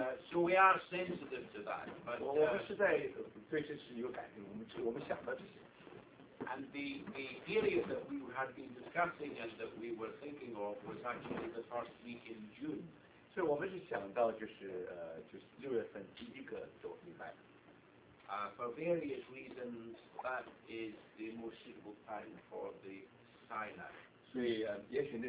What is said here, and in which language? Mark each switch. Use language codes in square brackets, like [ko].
[en] So we are sensitive to that. And the period that we had been discussing and that we were thinking of was actually the first week in June. [zh] 所以我们是想到就是六月份第一个周礼拜。 [en] For various reasons, that is the most suitable time for the Sinai.